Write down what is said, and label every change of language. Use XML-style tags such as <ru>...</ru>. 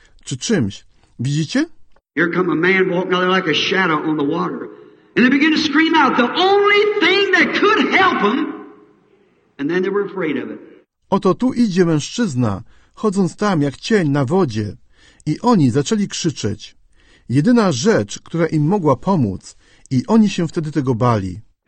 <pl>Czy czymś. Widzicie?</pl> <en>Here come a man walking out there like a shadow on the water. And they begin to scream out the only thing that could help him. And then they were afraid of it.</en> <pl>Oto tu idzie mężczyzna, chodząc tam jak cień na wodzie. I oni zaczęli krzyczeć. Jedyna rzecz, która im mogła pomóc, I oni się wtedy tego bali.</pl>